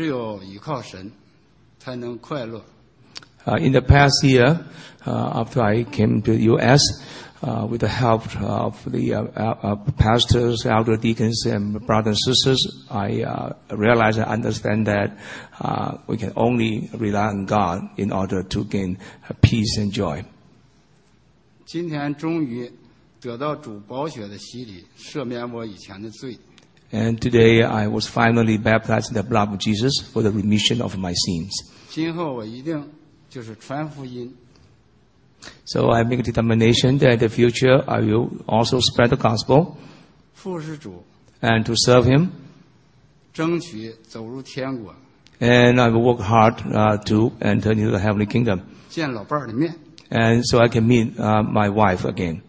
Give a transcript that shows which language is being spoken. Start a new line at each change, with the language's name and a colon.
Chinese: 从来到美国以后吧，这一年多吧，经过长老传道和知识和弟兄姐妹的帮助吧，使我进一步认识了，只有依靠神才能快乐。
English: In the past year, after I came to the U.S., with the help of the pastors, elder deacons, and brothers and sisters, I realize and understand that we can only rely on God in order to gain peace and joy.
Chinese: 今天终于得到主宝血的洗礼，赦免我以前的罪。
English: And today I was finally baptized in the blood of Jesus for the remission of my sins.
Chinese: 今后我一定 就是传福音。
English: So I make a determination that in the future I will also spread the gospel.
Chinese: 服侍主。
English: And to serve him.
Chinese: 争取走入天国。
English: And I will work hard to enter into the heavenly kingdom.
Chinese: 见老伴儿的面。
English: And so I can meet my wife again.